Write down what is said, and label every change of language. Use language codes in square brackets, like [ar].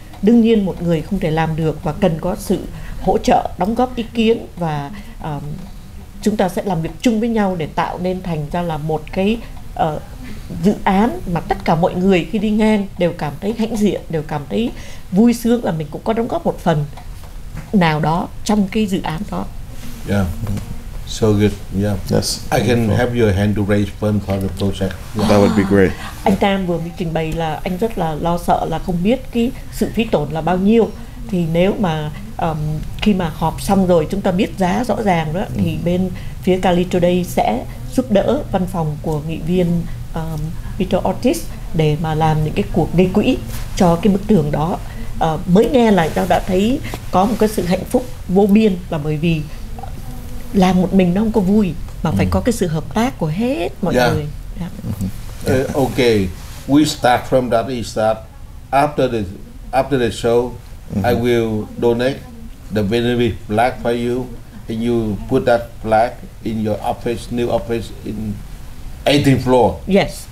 [vi] Đương nhiên một người không thể làm được và cần có sự hỗ trợ, đóng góp ý kiến, và chúng ta sẽ làm việc chung với nhau để tạo nên thành ra là một cái dự án mà tất cả mọi người khi đi ngang đều cảm thấy hãnh diện, đều cảm thấy vui sướng là mình cũng có đóng góp một phần nào đó trong cái dự án đó. [en] Yeah, so good. Yeah. Yes. I can have your hand to raise fund for the project. Yeah. That would be great. [vi] Anh Tam vừa mới trình bày là anh rất là lo sợ là không biết cái sự phí tổn là bao nhiêu. Thì nếu mà khi mà họp xong rồi chúng ta biết giá rõ ràng đó, thì bên phía Cali Today sẽ giúp đỡ văn phòng của nghị viên Peter Ortiz để mà làm những cái cuộc gây quỹ cho cái bức tường đó. mới nghe là tao đã thấy có một cái sự hạnh phúc vô biên, là bởi vì làm một mình nó không có vui mà phải có cái sự hợp tác của hết mọi người. [en] Okay, we start from that is that after the show, I will donate the Vietnamese flag for you, and you put that flag in your office, new office in 18th floor. Yes.